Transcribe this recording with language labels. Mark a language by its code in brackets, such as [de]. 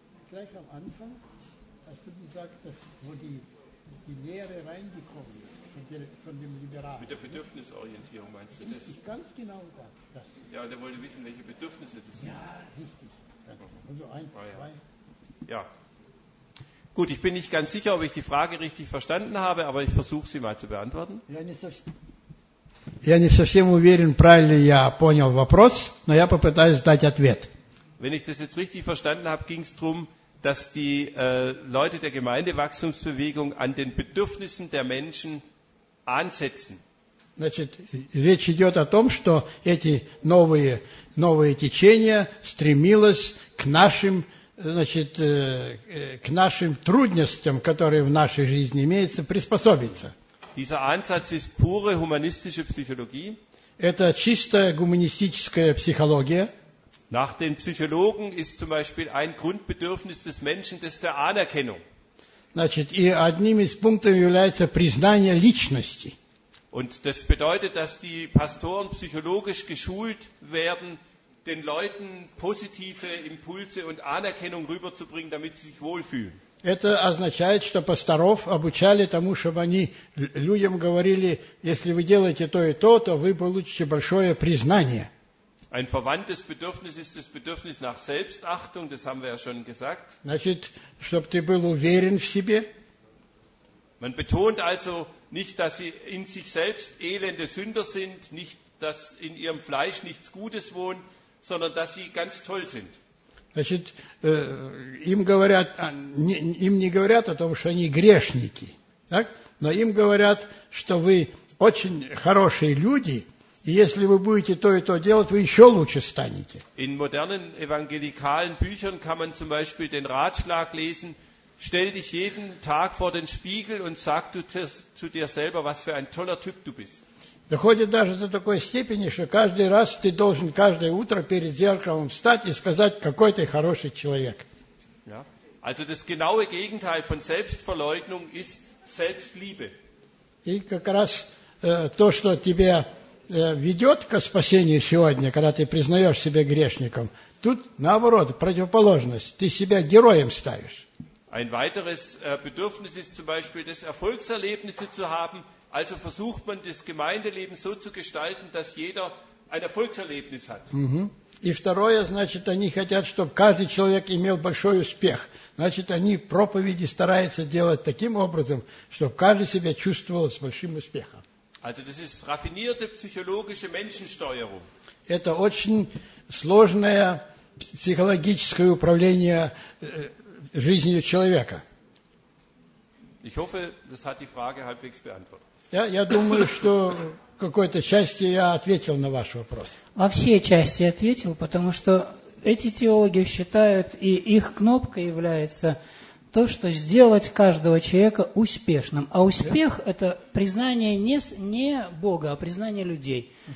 [de] Gleich am Anfang hast du gesagt, dass wo die Lehre reingekommen ist, von dem Liberalen. Mit der Bedürfnisorientierung meinst du richtig, das? Richtig, ganz genau das. Ja, der wollte wissen, welche Bedürfnisse das sind. Ja, richtig. Also eins, ah, ja. Zwei. Ja. Gut, ich bin nicht ganz sicher, ob ich die Frage richtig verstanden habe, aber ich versuche sie mal zu beantworten. Ja, nicht so schlimm. [ru] Я не совсем уверен, правильно я понял вопрос, но я попытаюсь дать ответ. [de] Wenn ich das jetzt richtig verstanden habe, ging es darum, dass die Leute der Gemeindewachstumsbewegung an den Bedürfnissen der Menschen ansetzen. [ru] Значит, речь идет о том, что эти новые течения стремились к нашим, значит, к нашим трудностям, которые в нашей жизни имеются, приспособиться. [de] Dieser Ansatz ist pure humanistische Psychologie. [ru] Это чистая гуманистическая психология. [de] Nach den Psychologen ist zum Beispiel ein Grundbedürfnis des Menschen das der Anerkennung. [ru] Значит, и одним из пунктов является признание личности. [de] Und das bedeutet, dass die Pastoren psychologisch geschult werden, den Leuten positive Impulse und Anerkennung rüberzubringen, damit sie sich wohlfühlen. [ru] Это означает, что пасторов обучали тому, чтобы они людям говорили, если вы делаете то и то, то вы получите большое признание. [de] Ein verwandtes Bedürfnis ist das Bedürfnis nach Selbstachtung, das haben wir ja schon gesagt. [ru] Значит, чтобы ты был уверен в себе. [de] Man betont also nicht, dass sie in sich selbst elende Sünder sind, nicht, dass in ihrem Fleisch nichts Gutes wohnt, sondern dass sie ganz toll sind. [ru] Значит, им говорят, им не говорят о том, что они грешники, так? Но им говорят, что вы очень хорошие люди, и если вы будете то и то делать, вы еще лучше станете. [de] In modernen evangelikalen Büchern kann man zum Beispiel den Ratschlag lesen: Stell dich jeden Tag vor den Spiegel und sag du zu dir selber, was für ein toller Typ du bist. [ru] Доходит даже до такой степени, что каждый раз ты должен каждое утро перед зеркалом встать и сказать, какой ты хороший человек. [de] Ja. Also das genaue Gegenteil von Selbstverleugnung ist Selbstliebe. [ru] И как раз то, что тебя ведет ко спасению сегодня, когда ты признаешь себя грешником, тут наоборот, противоположность, ты себя героем ставишь. [de] Ein weiteres Bedürfnis ist zum Beispiel, das Erfolgserlebnisse zu haben. Also versucht man das Gemeindeleben so zu gestalten, dass jeder ein Erfolgserlebnis hat. [ru] И второе, значит, они хотят, чтобы каждый человек имел большой успех. Значит, они проповеди стараются делать таким образом, чтобы каждый себя чувствовал с большим успехом. [de] Also das ist raffinierte psychologische Menschensteuerung. [ru] Это очень сложное психологическое управление жизнью человека. [de] Ich hoffe, das hat die Frage halbwegs beantwortet. [ru] Ja, я думаю, что в какой-то части я ответил на ваш вопрос. Во всей части ответил, потому что эти теологи считают, и их кнопкой является то, что сделать каждого человека успешным. А успех – это признание не Бога, а признание людей.